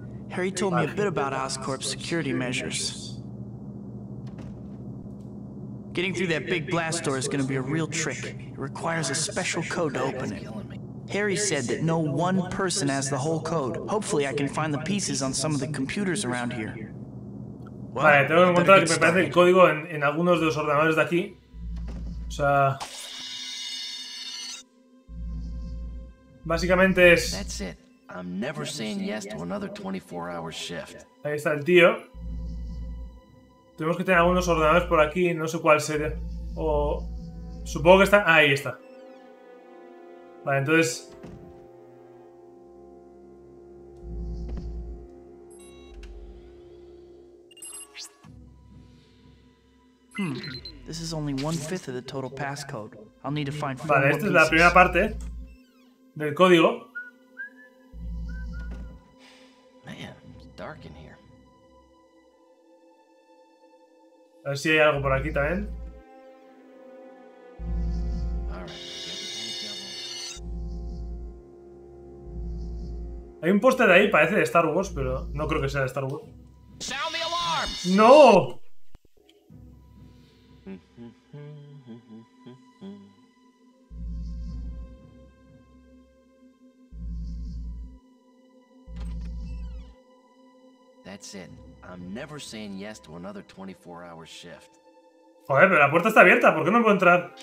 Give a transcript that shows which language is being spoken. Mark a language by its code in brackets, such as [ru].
[en] Harry told me a bit about Oscorp's security measures. Getting through that big blast door is going to be a real trick. It requires a special code to open it. Harry said that no one person has the whole code. Hopefully I can find the pieces on some of the computers around here. [es] Vale, tengo que encontrar que me parece el código en algunos de los ordenadores de aquí. O sea, básicamente es... [en] That's it. I'm never saying yes to another 24-hour shift. [es] Ahí está el tío. Tenemos que tener algunos ordenadores por aquí, no sé cuál sería. O supongo que está... Ah, ahí está. Vale, entonces... [en] This is only one fifth of the total passcode. I'll need to find four. [es] Vale, esta es la primera parte del código. [en] Man, it's dark in here. [es] A ver si hay algo por aquí también. Hay un póster ahí, parece de Star Wars, pero no creo que sea de Star Wars. [en] Sound the alarm. No. That's it. I'm never saying yes to another 24-hour shift. [es] Joder, pero la puerta está abierta, ¿por qué no puedo entrar?